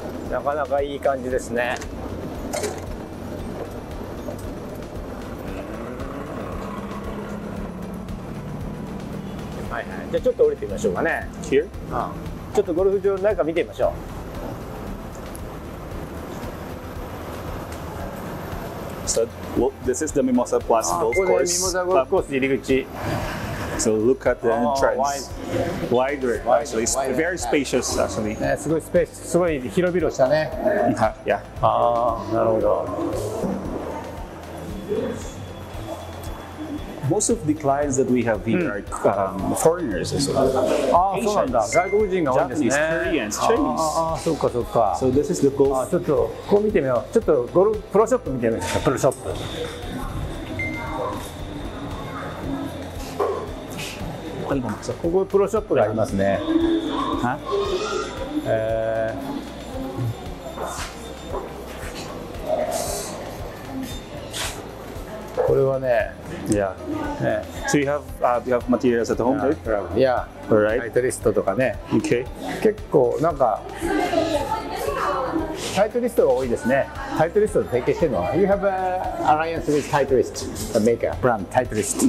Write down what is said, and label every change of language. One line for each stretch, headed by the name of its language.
Japanese: なかなかいい感じですね。じゃあちょっと降りてみましょうかね。
English: Here?
Japanese: ちょっとゴルフ場なんか見てみましょう。
English: So, well, this is the Mimosa Plus Golf Course.
Japanese: ここでミモザゴルフコース入り口。
English: So look at the entrance. Wider, actually. It's very spacious, actually.
Japanese: すごいスペース、すごい広々したね。
English: Yeah.
Japanese: なるほど。
English: Most of the clients that we have here are foreigners as well. Asians, Japanese, Koreans, Chinese.
Japanese: そうかそうか。
English: So this is the golf.
Japanese: ちょっとここ見てみよう。ちょっとゴルフプロショップ見てみましょう。プロショップ。ここプロショップがありますね。これはね。
English: Yeah. So you have materials at home, right? Yeah. All right.
Japanese: タイトリストとかね。
English: Okay.
Japanese: 結構なんかタイトリストが多いですね。タイトリストを提携してるのは。
English: You have an alliance with Titleist, a maker, brand, Titleist.